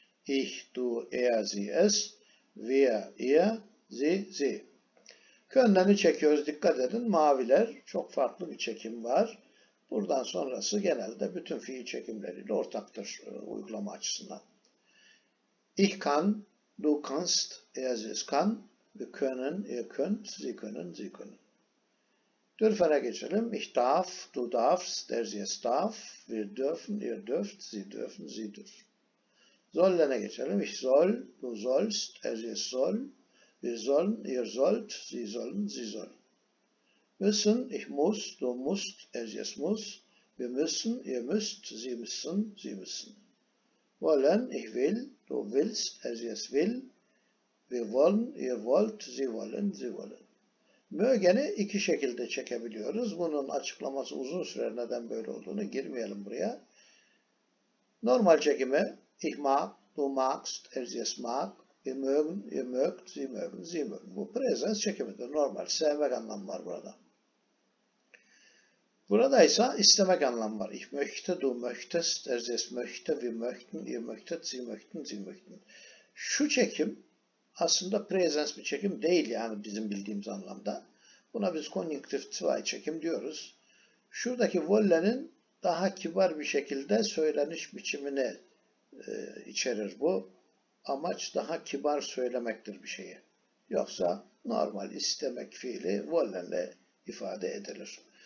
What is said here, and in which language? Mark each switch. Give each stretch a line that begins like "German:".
German: Ich, du, er, sie, es. Wir, ihr, sie, sie.
Turkish: Können'i çekiyoruz. Dikkat edin. Maviler çok farklı bir çekim var. Buradan sonrası genelde bütün fiil çekimleriyle ortaktır uygulama açısından.
German: Ich kann, du kannst, er, sie, es kann. Wir können, ihr könnt, sie können, sie können.
Turkish: Dürfen'e geçelim.
German: Ich darf, du darfst, der sie es darf. Wir dürfen, ihr dürft, sie dürfen, sie dürfen.
Turkish: Sollen'e geçelim.
German: Ich soll, du sollst, er sie es soll. Wir sollen, ihr sollt, sie sollen, sie sollen. Müssen, ich muss, du musst, er sie es muss. Wir müssen, ihr müsst, sie müssen, sie müssen. Wollen, ich will, du willst, er sie es will. Wir wollen, ihr wollt, sie wollen, sie wollen.
Turkish: Mögen'i iki şekilde çekebiliyoruz. Bunun açıklaması uzun sürer, neden böyle olduğunu girmeyelim buraya. Normal çekimi
German: ich mag, du magst, er sie es mag, wir mögen, ihr mögt, sie mögen, sie mögen.
Turkish: Bu präsenz çekimidir. Normal, sevmek anlamı var burada. Buradaysa istemek anlamı var.
German: Ich möchte, du möchtest, er sie es möchte, wir möchten, ihr möchtet, sie möchten, sie möchten.
Turkish: Şu çekim aslında präsenz bir çekim değil yani bizim bildiğimiz anlamda. Buna biz konjunktif zwei çekim diyoruz. Şuradaki wollen'in daha kibar bir şekilde söyleniş biçimini içerir bu. Amaç daha kibar söylemektir bir şeyi. Yoksa normal istemek fiili vollenle ifade edilir.